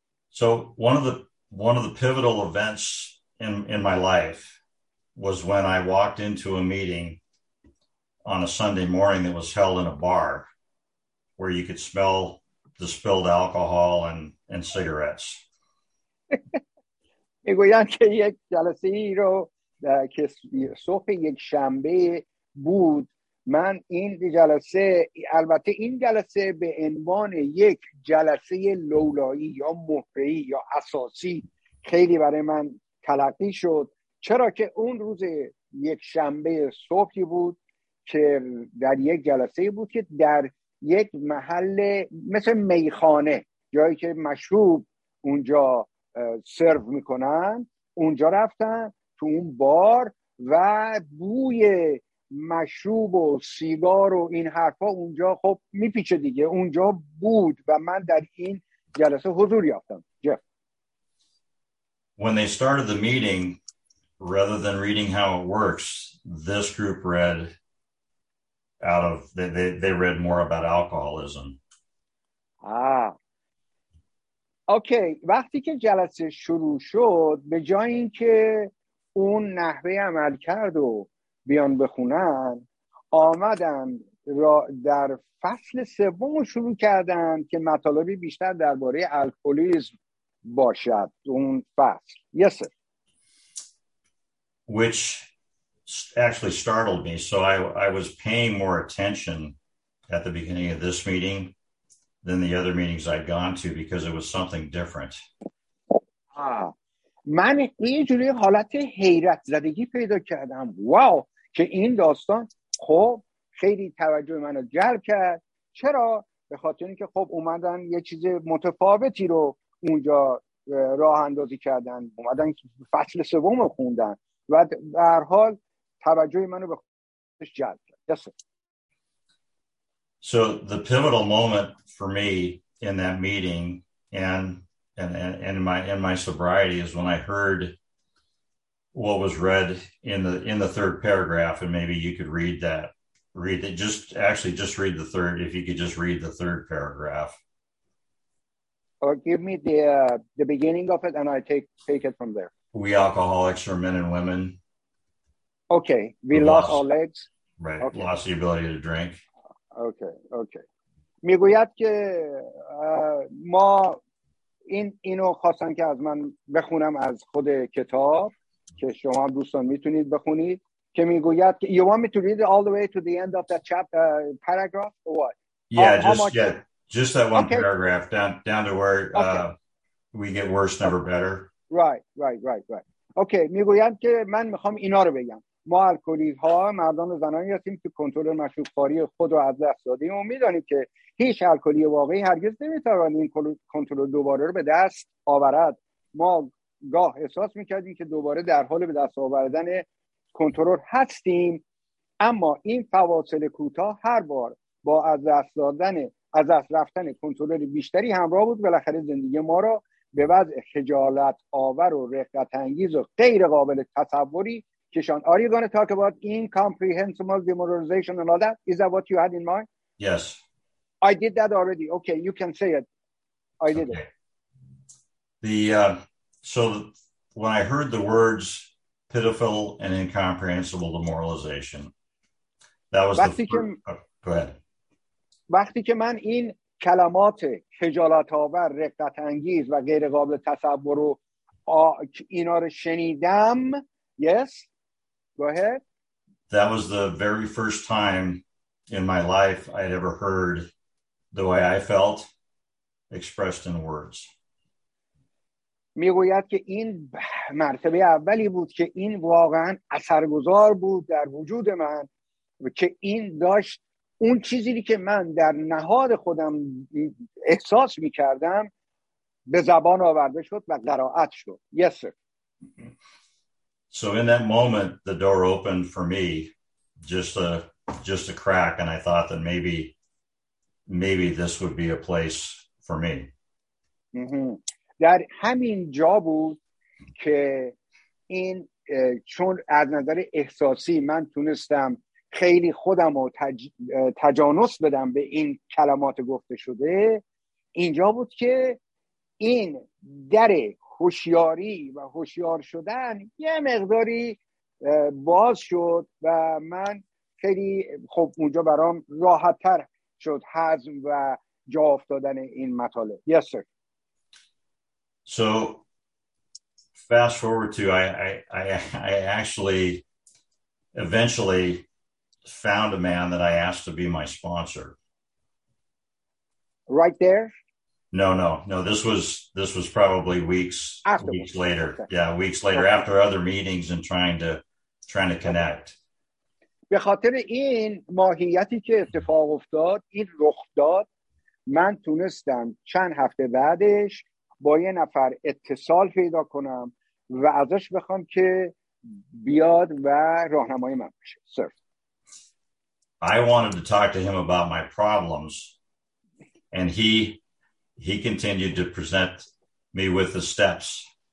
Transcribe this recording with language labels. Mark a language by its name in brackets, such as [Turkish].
[English] So one of the pivotal events in my life was when I walked into a meeting on a Sunday morning that was held in a bar where you could smell the spilled alcohol and cigarettes. [Persian] میگویند که یک جلسه ای رو که صبح یک شنبه بود، من این جلسه، البته این جلسه به عنوان یک جلسه لولایی یا مهره‌ای یا اساسی خیلی برای من تلقی شد، چرا که اون روز یک شنبه صبحی بود که در یک جلسه بود که در یک محل مثل میخانه، جایی که مشروب اونجا سرو میکنن، اونجا رفتن تو اون بار و بوی مشروب و سیگار و این حرفا اونجا خب میپیچه دیگه، اونجا بود و من در این جلسه حضور یافتم. جف. [English] When they started the meeting, rather than reading how it works, this group read out of they read more about alcoholism. [Persian] Okay, وقتی که جلسه شروع شد، به جای اینکه اون نحوه عمل کرد و بیان بخونن، آمدن در فصل سوم شروع کردن که مطالبی بیشتر درباره الکلیسم باشد اون فصل. [English] Yes, sir. Which actually startled me. So I was paying more attention at the beginning of this meeting than the other meetings I'd gone to because it was something different. [Persian] من اینجوری حالت حیرت زدگی پیدا کردم. واو، که این داستان خب خیلی توجه منو جلب کرد. چرا؟ به خاطر اینکه خب اومدن یه چیز متفاوتی رو اونجا راه اندازی کردن. اومدن فصل سوم رو خوندن و به هر حال توجه منو به خودش جلب کرد. [English] Yes, sir. So the pivotal moment for me in that meeting and in my sobriety is when I heard what was read in the third paragraph, and maybe you could read the third paragraph. Or give me the beginning of it and I take it from there. We alcoholics are men and women. Okay. We lost our legs. Right. Okay. Lost the ability to drink. [Persian] Okay. میگوید که ما اینو خواستن که از من بخونم از خود کتاب که شما دوستان میتونید بخونید که میگوید که [English] you want me to read all the way to the end of that chapter paragraph or what? Yeah, just that one paragraph down to where we get worse, never better. Right. [Persian] اوکی میگویم که من میخوام اینا رو بگم. ما الکلیزها مردان و زنانی هستیم که کنترل مشروبخواری خود رو از دست دادیم و میدانیم که هیچ الکلی واقعی هرگز نمیتوان این کنترل دوباره رو به دست آورد. ما گاه احساس میکردیم که دوباره در حال به دست آوردن کنترل هستیم، اما این فواصل کوتاه هر بار با از دست رفتن کنترل بیشتری همراه بود. بالاخره زندگی ما را به وضع خجالت آور و رقت انگیز و غیر قابل تصوری کشان. [English] Are you going to talk about incomprehensible demoralization and all that? Is that what you had in mind? Yes. I did that already. Okay, you can say it. I did okay. So when I heard the words pitiful and incomprehensible demoralization, that was go ahead. [Persian] وقتی که من این کلمات خجالت آور، رقت انگیز و غیر قابل تصور رو اینا رو شنیدم. [English] Yes. Go ahead. That was the very first time in my life I'd ever heard the way I felt expressed in words. [Persian] میگوید که این مرتبه اولی بود که این واقعا اثرگذار بود در وجود من و که این داشت اون چیزی که من در نهاد خودم احساس می‌کردم به زبان آورده شد و قرائت شد. [English] Yes, sir. So in that moment the door opened for me just a crack, and I thought that maybe this would be a place for me. [Persian] در همین جا بود که این چون از نظر احساسی من تونستم خیلی خودم رو تجانس بدم به این کلمات گفته شده، اینجا بود که این در هوشیاری و هوشیار شدن یه مقداری باز شد و من خیلی خب اونجا برام راحت تر شد هضم و جا افتادن این مطالب. [English] Yes, sir. So fast forward to I actually eventually found a man that I asked to be my sponsor. Right there? No. This was probably weeks later. Yeah, weeks later after other meetings and trying to connect. [Persian] به خاطر این ماهیتی که اتفاق افتاد، این رخ داد، من تونستم چند هفته بعدش با یه نفر اتصال پیدا کنم و ازش بخوام که بیاد و راهنمای من بشه. صرف [English] I wanted to talk to him about my problems, and he continued to present me with the steps.